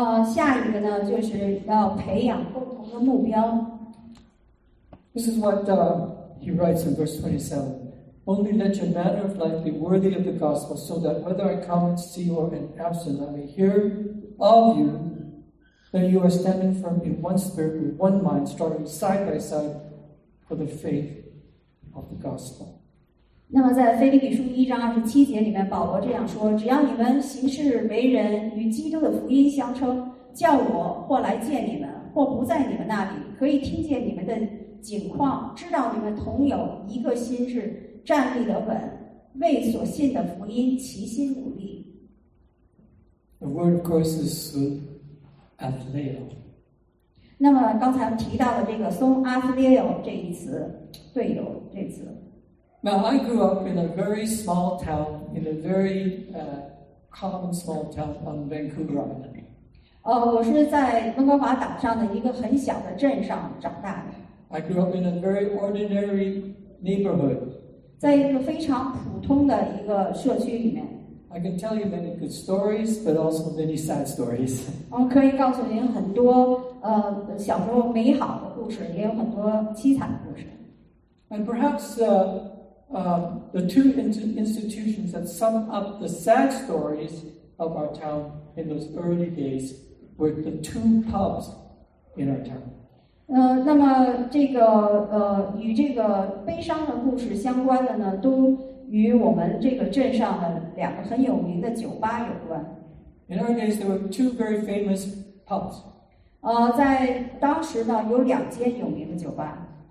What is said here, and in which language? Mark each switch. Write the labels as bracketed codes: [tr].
[zh] 下一个呢就是要培养共同的目标。 [en] This is what he writes in verse 27. Only let your manner of life be worthy of the gospel, so that whether I come and see you or am absent, I may hear. All of you, that you are standing firm in one spirit, with one mind, struggling side by side for the faith of the gospel. [zh] 那么在腓立比书一章二十七节里面，保罗这样说：只要你们行事为人与基督的福音相称，叫我或来见你们，或不在你们那里，可以听见你们的景况，知道你们同有一个心志，站立得稳，为所信的福音齐心努力。 [en] The word, of course, is soon athleo. [zh] 那么刚才提到的这个松阿斯列友这一词，队友这词。 [en] Now I grew up in a very small town, in a very common small town on Vancouver Island. [zh] 我是在温哥华岛上的一个很小的镇上长大的。 [en] I grew up in a very ordinary neighborhood. [zh] 在一个非常普通的一个社区里面。 [en] I can tell you many good stories, but also many sad stories. [zh] 可以告诉您很多小时候美好的故事，也有很多凄惨的故事。 [en] And perhaps the two institutions that sum up the sad stories of our town in those early days were the two pubs in our town. [zh] 那么这个与这个悲伤的故事相关的呢，都。与我们这个镇上的两个很有名的酒吧有关。 [en] In our days, there were two very famous pubs. [zh] 在当时呢，有两间有名的酒吧。